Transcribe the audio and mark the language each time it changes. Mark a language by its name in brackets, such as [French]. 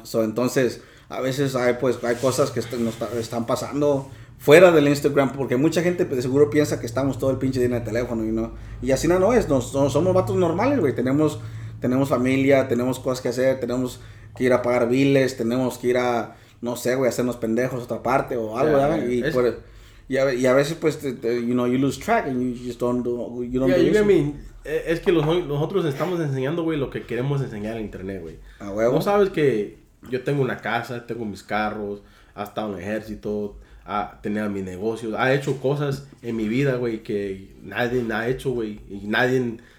[Spanish] So, entonces, a veces hay cosas que nos están pasando fuera del Instagram, porque mucha gente de seguro piensa que estamos todo el pinche día en el teléfono, you know. Y así no es, somos vatos normales, güey, tenemos familia, tenemos cosas que hacer, tenemos que ir a pagar biles, tenemos que ir a... No sé, güey, hacernos pendejos otra parte o algo, ¿verdad? [English] Yeah, [Spanish] y a veces, pues, [English] you know, you lose track and you just don't do... [Spanish] Es que nosotros estamos enseñando, güey, lo que queremos enseñar en internet, güey. ¿A huevo? ¿No sabes que yo tengo una casa, tengo mis carros, ha estado en el ejército, ha tenido mi negocio, ha hecho cosas en mi vida, güey, que nadie ha hecho, güey, y nadie...